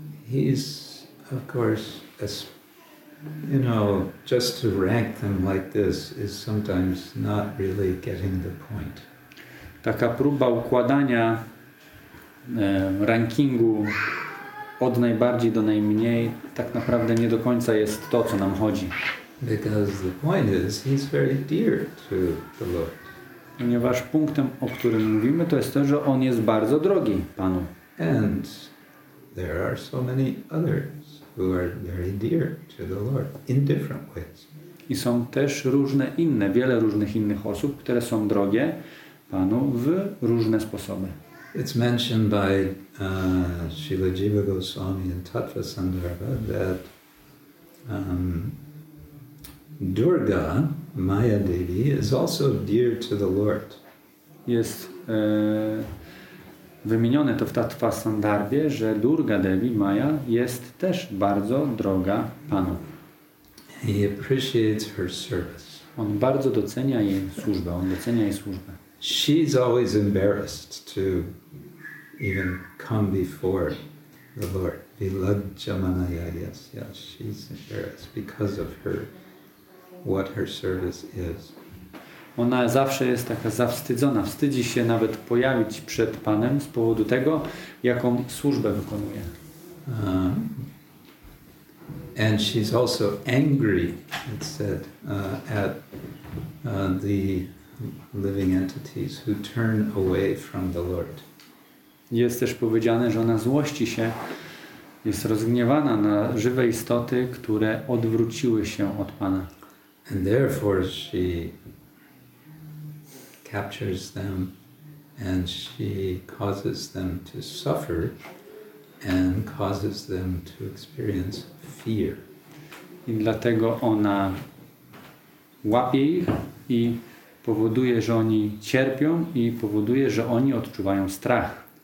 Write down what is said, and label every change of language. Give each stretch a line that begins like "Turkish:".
English: He's of course, as you know, just to rank them like this is sometimes not really getting the point.
Polish: Taka próba układania rankingu od najbardziej do najmniej tak naprawdę nie do końca jest to, co nam chodzi.
English: Because the point is, he's very dear to the Lord.
Polish: Ponieważ punktem, o którym mówimy, to jest to, że on jest bardzo drogi Panu.
English: And there are so many others who are very dear to the Lord in different ways.
Polish: I są też różne inne, wiele różnych innych osób, które są drogie Panu w różne sposoby.
English: It's mentioned by Srila Jiva Goswami in Tattva Sandarbha that Durga, Maya Devi, is also dear to the Lord.
Polish: Jest wymienione to w Tattva Sandarbhie, że Durga Devi Maya jest też bardzo droga Panu.
English: He appreciates her service.
Polish: On bardzo docenia jej służbę. On docenia jej służbę.
English: She's always embarrassed to even come before the Lord. Vilajjamanaya, yes, yes, she's embarrassed because of her, what her service is.
Polish: Ona zawsze jest taka zawstydzona. Wstydzi się nawet pojawić przed Panem z powodu tego, jaką służbę wykonuje.
English: And she's also angry, it said, at the living entities who turn away from the Lord.
Polish: Jest też powiedziane, że ona złości się, jest rozgniewana na żywe istoty, które odwróciły się od Pana.
English: And therefore she captures them and she causes them to suffer and causes them to experience fear.
Polish: I dlatego ona łapie ich i powoduje, że oni cierpią i powoduje, że oni odczuwają strach.